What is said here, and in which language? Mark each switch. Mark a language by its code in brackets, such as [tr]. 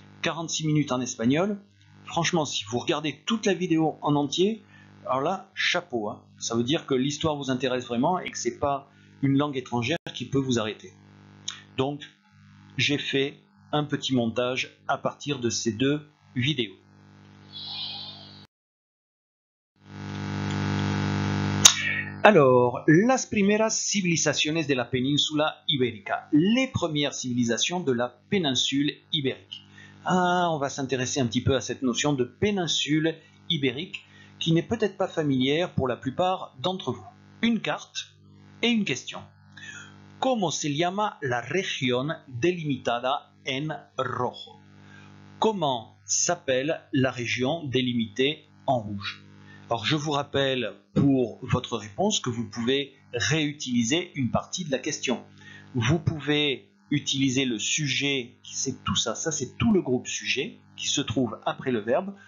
[fr] 46 minutes en espagnol. Franchement, si vous regardez toute la vidéo en entier, alors là, chapeau, hein. Ça veut dire que l'histoire vous intéresse vraiment et que ce n'est pas une langue étrangère qui peut vous arrêter. Donc, j'ai fait un petit montage à partir de ces deux vidéos. [es] Alors, las primeras civilizaciones de la península ibérica. [fr] Les premières civilisations de la péninsule ibérique. Ah, on va s'intéresser un petit peu à cette notion de péninsule ibérique qui n'est peut-être pas familière pour la plupart d'entre vous. Une carte et une question. [es] ¿Cómo se llama la región delimitada en rojo? [fr] Comment s'appelle la région délimitée en rouge? Alors, je vous rappelle pour votre réponse que vous pouvez réutiliser une partie de la question. Vous pouvez utiliser le sujet, c'est tout ça, ça c'est tout le groupe sujet qui se trouve après le verbe.